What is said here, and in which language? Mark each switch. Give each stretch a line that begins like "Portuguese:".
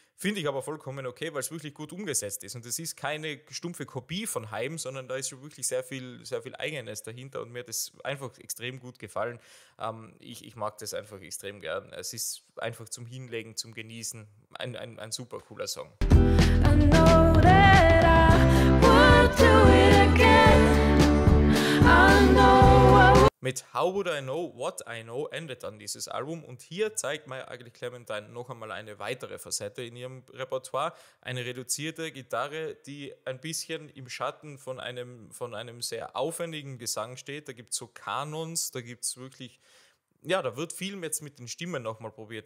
German: Finde ich aber vollkommen okay, weil es wirklich gut umgesetzt ist. Und es ist keine stumpfe Kopie von Heim, sondern da ist schon wirklich sehr viel Eigenes dahinter. Und mir hat das einfach extrem gut gefallen. Ich mag das einfach extrem gern. Es ist einfach zum Hinlegen, zum Genießen. Ein super cooler Song.
English: I know that I would do it again. I know I would.
German: Mit How Would I Know What I Know endet dann dieses Album und hier zeigt My Ugly Clementine noch einmal eine weitere Facette in ihrem Repertoire. Eine reduzierte Gitarre, die ein bisschen im Schatten von einem sehr aufwendigen Gesang steht. Da gibt es so Kanons, da gibt es wirklich, ja, da wird viel jetzt mit den Stimmen nochmal probiert.